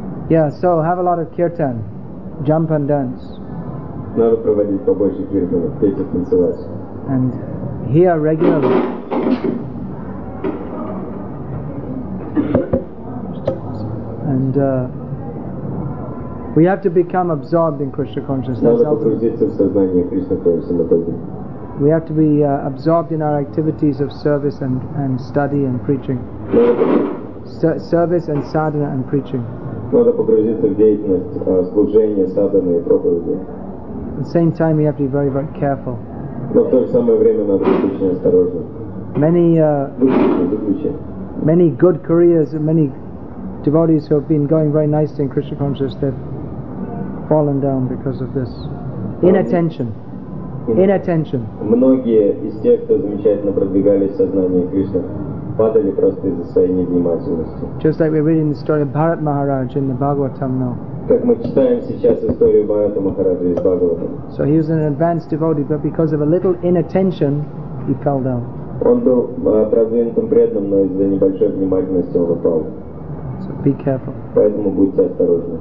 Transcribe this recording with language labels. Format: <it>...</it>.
<en>Yeah, so have a lot of kirtan, jump and dance.</en> <ru>Надо проводить побольше киртана, петь и танцевать.</ru> <en>And here regularly. And we have to become absorbed in Krishna consciousness.</en> <ru>Надо погрузиться в сознание Кришна консамадхи.</ru> <en>We have to be absorbed in our activities of service and study and preaching. Service and sadhana and preaching.</en> <ru>Надо погрузиться в деятельность служения, садханы и проповеди.</ru> <en>At the same time, we have to be very, very careful.</en> <ru>Но в то же самое время надо быть очень осторожным.</ru> <en>Many good careers, many devotees who have been going very nicely in Krishna consciousness, they've fallen down because of this. Inattention.</en> <ru>Многие из тех, кто замечательно продвигались в сознании Кришны, падали просто из-за своей невнимательности.</ru> <en>Just like we're reading the story of Bharat Maharaj in the Bhagavatam now.</en> <ru>Как мы читаем сейчас историю Бхарата Махараджа из Бхагаватам.</ru> <en>So he was an advanced devotee, but because of a little inattention, he fell down.</en> <ru>Он был продвинутым преданным, но из-за небольшой внимательности он упал.</ru> <en>So be careful.</en> <ru>Поэтому будьте осторожны.</ru>